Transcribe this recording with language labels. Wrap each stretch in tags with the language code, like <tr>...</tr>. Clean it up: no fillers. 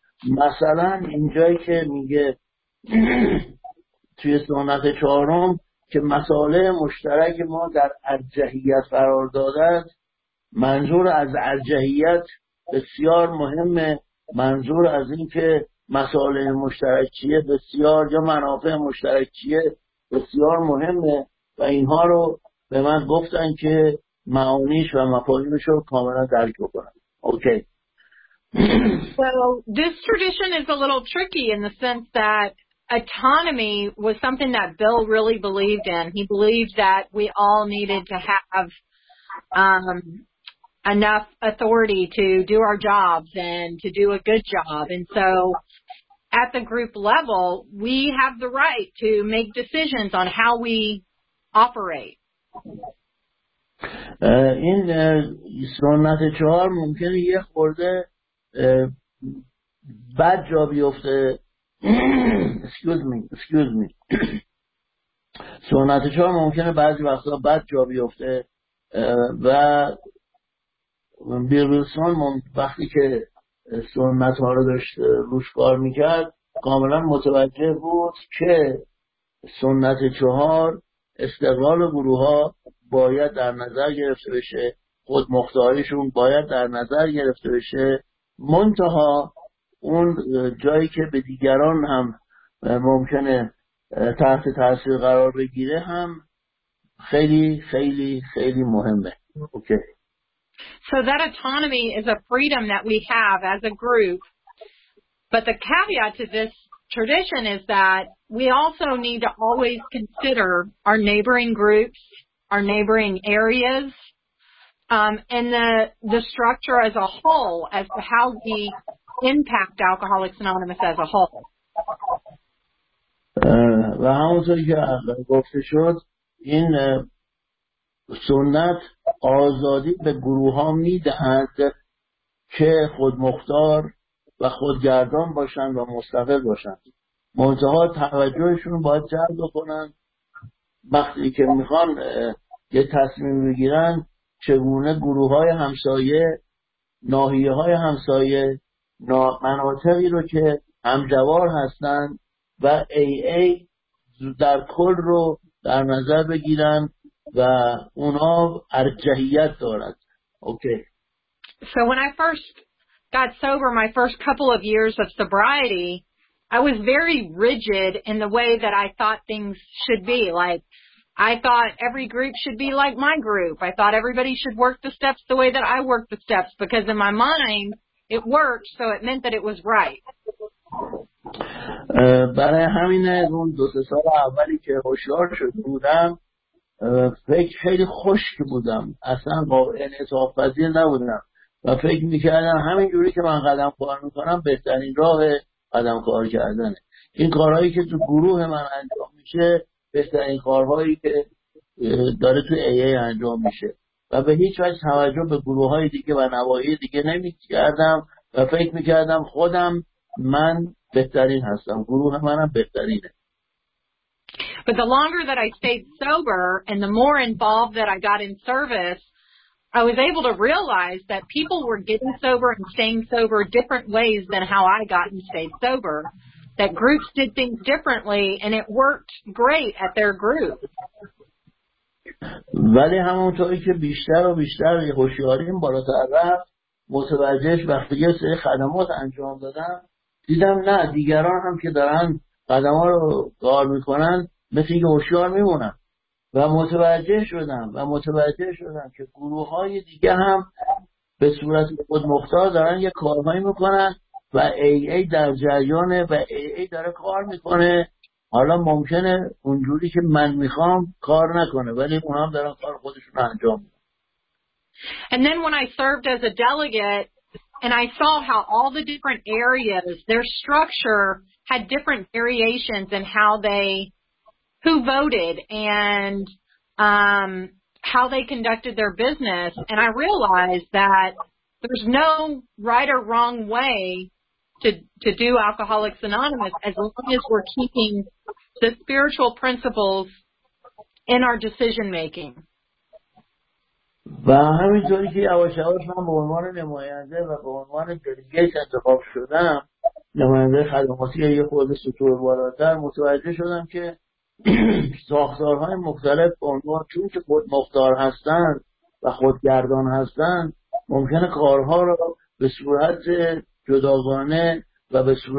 <fa>مثلا اینجایی که میگه توی سنت چهارم که مساله مشترک ما در ارجحیت قرار دادند، منظور از ارجحیت بسیار مهمه، منظور از این که مساله مشترکیه بسیار یا منافع مشترکیه بسیار مهمه و اینها رو به من گفتن که معانیش و مفاهیمش رو کاملا درک بکنم. اوکی.</fa> <en>So this tradition is a little tricky in the sense that autonomy was something that Bill really believed in. He believed that we all needed to have enough authority to do our jobs and to do a good job. And so at the group level, we have the right to make decisions on how we operate.</en> <fa>In سنت چهار ممکنه یه خورده بد جا بیفته.</fa> <en>Excuse me.</en> <fa>سنت چهار ممکنه بعضی وقتا بد جا بیفته و بیل ویلسون وقتی که سنت ها رو داشت روش کار میکرد کاملا متوجه بود که سنت چهار استقلال گروه ها باید در نظر گرفته بشه، خودمختاریشون باید در نظر گرفته بشه، منتها اون جایی که به دیگران هم ممکنه تحت تأثیر قرار بگیره هم خیلی خیلی خیلی مهمه. اوکی.</fa> <en>So that autonomy is a freedom that we have as a group. But the caveat to this tradition is that we also need to always consider our neighboring groups, our neighboring areas, and the structure as a whole as to how we impact Alcoholics Anonymous as a whole.</en> <fa>و همونطور که اول گفته شد این سنت آزادی به گروه ها میدهد که خودمختار و خودگردان باشند و مستقل باشند. منتها توجهشون باید جلب کنند وقتی که میخوان یه تصمیم بگیرن چگونه گروه های همسایه، ناحیه های همسایه، مناطقی رو که همجوار هستند و AA در کل رو در نظر بگیرن و اونا ارجحیت دارد. اوکی.</fa> <en>So when I first got sober, my first couple of years of sobriety, I was very rigid in the way that I thought things should be. Like, I thought every group should be like my group. I thought everybody should work the steps the way that I work the steps, because in my mind, it worked, so it meant that it was right.</en> <fa>برای همین اون دو سه سال اولی که هوشیار شده بودم فکر خیلی خشک بودم، اصلا قابل انعطاف‌پذیر نبودم و فکر میکردم همین جوری که من قدم کار میکنم بهترین راه قدم کار کردنه، این کارهایی که تو گروه من انجام میشه بهترین کارهایی که داره تو ای ای انجام میشه و به هیچ وجه توجه به گروه های دیگه و نواحی دیگه نمیکردم و فکر میکردم خودم من بهترین هستم، گروه منم بهترینه.</fa> <en>But the longer that I stayed sober and the more involved that I got in service, I was able to realize that people were getting sober and staying sober different ways than how I got and stayed sober. That groups did things differently and it worked great at their group.</en> <fa>ولی همونطوری که بیشتر و بیشتر هوشیاریم بالاتر رفت، متوجه وقتی یه سری خدمات انجام دادم دیدم نه دیگران هم که دارن قدم ها رو کار میکنن مثل اینکه هوشیار میمونن و متوجه شدم که گروه های دیگه هم به صورت خودمختار دارن یه کارهایی میکنن و AA در جریانه و AA داره کار میکنه، حالا ممکنه اونجوری که من میخوام کار نکنه ولی اون هم دارن کار خودشون انجام میدن.</fa> <en>And then when I served as a delegate and I saw how all the different areas, their structure had different variations in how they, who voted and how they conducted their business. And I realized that there's no right or wrong way to do Alcoholics Anonymous as long as we're keeping the spiritual principles in our decision making.</en> <fa>و همینطوری که یواش یواش من به عنوان نماینده و به عنوان دلیگیت انتخاب شدم، نماینده خدماتی یه خود سطور بالاتر، متوجه شدم که ساختارهای مختلف به عنوان چون که خود مختار هستن و خودگردان هستن ممکنه کارها را به صورت جداگانه و به</fa>